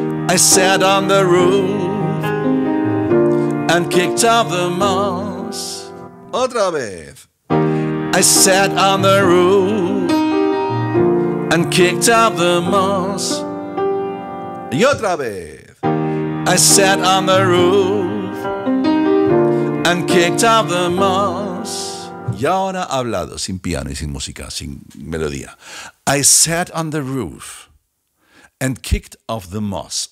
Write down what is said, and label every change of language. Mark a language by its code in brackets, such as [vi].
[en] I sat on the roof and kicked up the moss. [es] Otra vez. [en] I sat on the roof and kicked up the moss. [es] Y otra vez. [en] I sat on the roof and kicked up the moss. [es] Y ahora hablado, sin piano y sin música, sin melodía. [en] I sat on the roof and kicked off the moss.